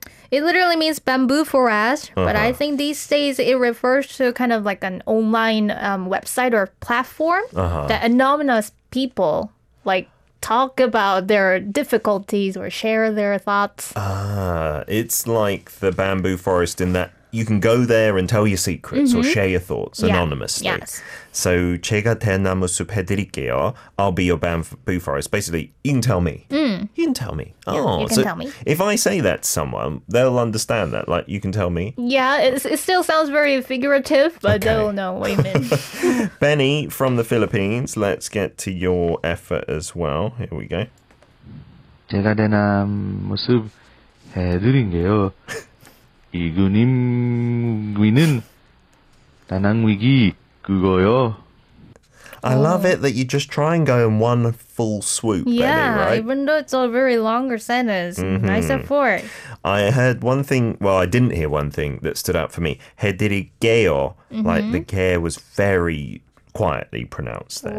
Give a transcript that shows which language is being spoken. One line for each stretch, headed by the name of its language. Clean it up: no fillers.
English: It literally means bamboo forest, but I think these days it refers to kind of like an online website or platform that anonymous people like talk about their difficulties or share their thoughts. It's like the bamboo forest in that you can go there and tell your secrets or share your thoughts anonymously. Yes.
Korean: So 제가 대나무숲 해드릴게요.
English: I'll be your bamboo forest. Basically, you can tell me. You can tell me. You can tell me. If I say that to someone, they'll understand that. Like, you can tell me. Yeah, it still sounds very figurative, but they'll know what you mean. Benny from the Philippines, let's get to your effort as well. Here we go.
Korean: 제가 대나무숲 해드릴게요. 이구님귀는 다낭위기 그거요.
English: I love it that you just try and go in one full swoop, Benny, right? Yeah, even though it's a very longer sentence. Nice effort. I heard one thing, well, I didn't hear one thing that stood out for me. 해드릴게요, like the gear was very quietly pronounced there.